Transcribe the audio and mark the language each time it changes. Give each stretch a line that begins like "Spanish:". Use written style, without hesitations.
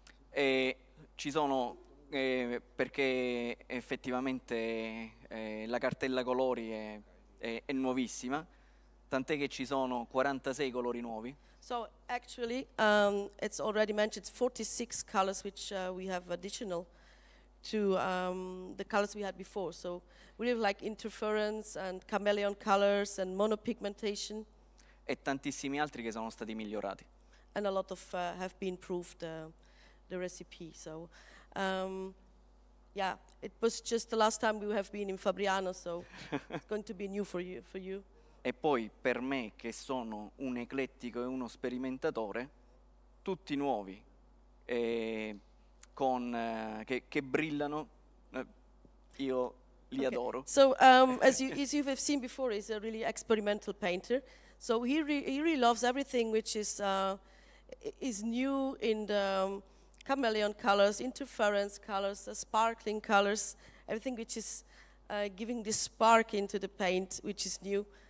Italian: E ci sono perché effettivamente la cartella colori è nuovissima, tant'è che ci sono 46 colori nuovi.
English: So actually, it's already mentioned 46 colors which we have additional to the colors we had before. So we have like interference and chameleon colors and monopigmentation.
Italian: E tantissimi altri che sono stati migliorati.
English: And a lot of have been improved the recipe. So yeah, it was just the last time we have been in Fabriano, so it's going to be new for you.
Italian: E poi per me, che sono un eclettico e uno sperimentatore, tutti nuovi, che brillano, io li adoro.
English: So as you have seen before, he's a really experimental painter. So he really loves everything which is new in the chameleon colors, interference colors, the sparkling colors, everything which is giving this spark into the paint, which is new.